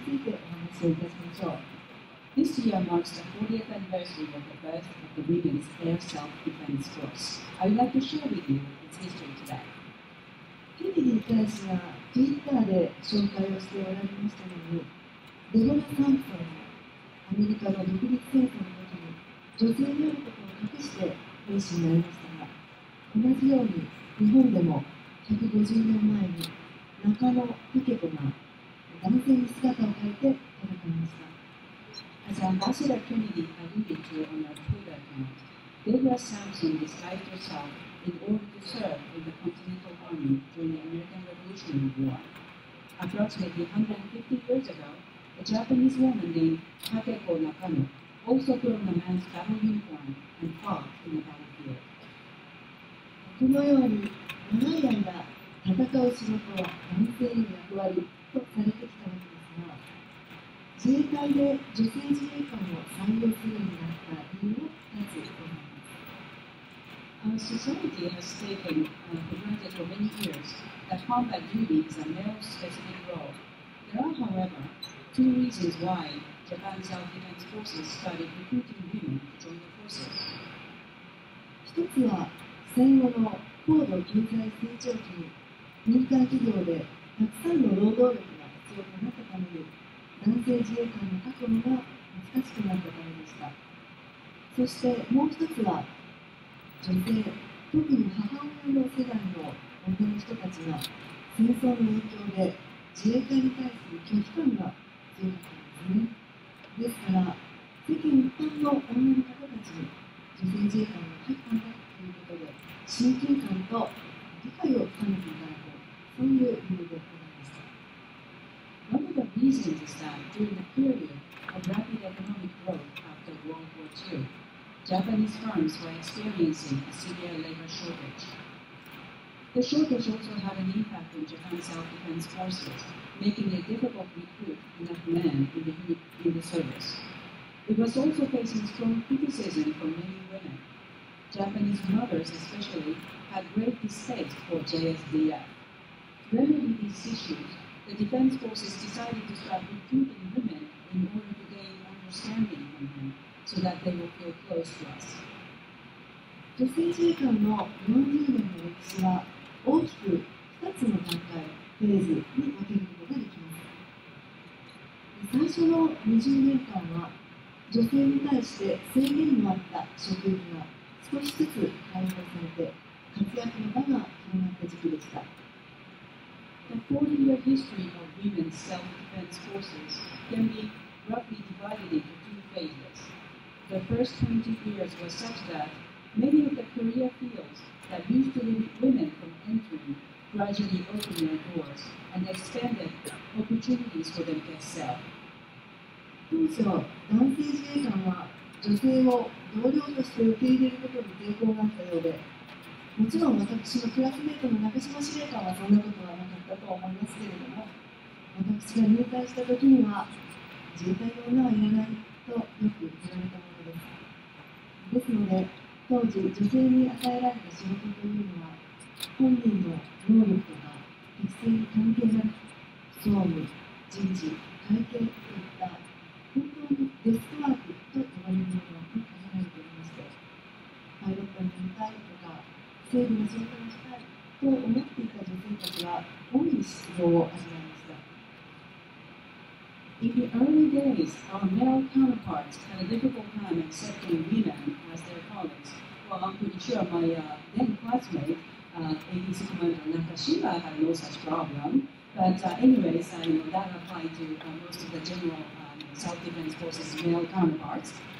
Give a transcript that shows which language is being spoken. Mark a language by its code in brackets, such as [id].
[en] This year marks the 40th anniversary of the birth of the Women's Air Self-Defense Force. I would like to share with you its history today. [ja] Kennedy 大使が Twitter で紹介をしておられましたのに、デボラ・サンプソンがアメリカの独立戦争の時に女性であることを隠して兵士になりましたが、同じように日本でも150年前に中野武家子が男性に姿を変えて戦いました。 [en] As Ambassador Kennedy alluded to on our Twitter account, Deborah Sampson disguised herself in order to serve in the Continental Army during the American Revolutionary War. Approximately 150 years ago, a Japanese woman named Kateko Nakano also put on a man's battle uniform and fought in the battlefield. [ja] このように長い間戦う仕事は男性の役割とされてきたのですが、自衛隊で女性自衛官を採用するようになった理由を尋ねてください。 [en] Our society has taken for granted for many years that combat duty is a male-specific role. There are, however, two reasons why Japan's self-defense forces started recruiting women to join the forces. [ja] 一つは戦後の高度経済成長期に民間企業でたくさんの労働力が必要となったために男性自衛官の確保が難しくなったためでした。そしてもう一つは女性、特に母親の世代の女の人たちが戦争の影響で自衛隊に対する拒否感が強かったんですね。ですから世間一般の女の方たちに女性自衛官が入ったんだということで親近感と理解を深めていただこう、そういう理由でございました。 [en] One of the reasons is that during the period of rapid economic growth after World War IIJapanese firms were experiencing a severe labor shortage. The shortage also had an impact on Japan's self-defense forces, making it difficult to recruit enough men in the service. It was also facing strong criticism from many women. Japanese mothers especially had great distaste for JSDF. To remedy these issues, the defense forces decided to start recruiting women in order to gain understanding from them. [ja] 女性自衛官の40年の歴史は大きく2つの段階、フェーズに分けることができます。最初の20年間は女性に対して制限のあった職域が少しずつ解放されて活躍の場が広がった時期でした。 [en] The 40-year history of women's self-defense forces can be roughly divided into two phases. The first 20 years was such that many of the career fields that used to limit women from entering gradually opened their doors and expanded opportunities for them to excel. [ja] 当初、男性自衛官は女性を同僚として受け入れることに抵抗があったようで、もちろん私のクラスメートの中島司令官はそんなことはなかったと思いますけれども、私が入隊した時には自衛隊の女はいらないとよく言われた。ですので、当時女性に与えられた仕事というのは、本人の能力とか適正に関係なく、総務、人事、会計といった本当にデスクワークと呼ばれるものに限られておりまして、パイロットになりたいとか、整備の仕事にしたいと思っていた女性たちは、大いに失望を味わいました。 [en] In the early days, our male counterparts had a difficult time accepting women as their colleagues. Well, I'm pretty sure my then classmate, ABC Commander Nakashima, had no such problem. But anyways, that applied to most of the general self-defense forces' male counterparts.